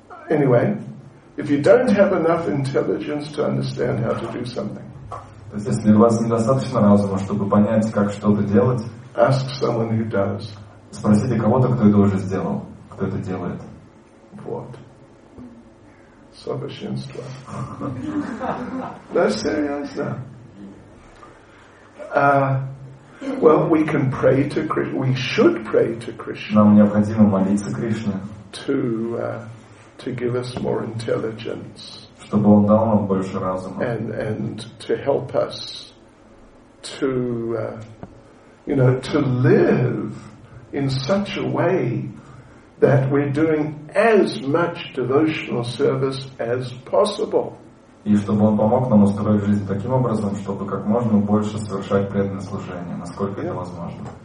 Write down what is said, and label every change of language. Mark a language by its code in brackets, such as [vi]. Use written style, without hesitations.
[en] Anyway, if you don't have enough intelligence to understand how to do something. [ru] То есть, если у вас недостаточно разума, чтобы понять, как что-то делать, [en] ask someone who does. [ru] Спросите кого-то, кто это уже сделал, кто это делает. Вот. Совершенство. Да, серьезно. [en] Well, we can pray to Krishna. We should pray to Krishna. [ru] Нам необходимо молиться Кришне. [en] To give us more intelligence. [ru] Чтобы он дал нам больше разума. [en] And to help us to live in such a way that we're doing as much devotional service as possible. [ru] И чтобы он помог нам устроить жизнь таким образом, чтобы как можно больше совершать преданное служение, насколько это возможно.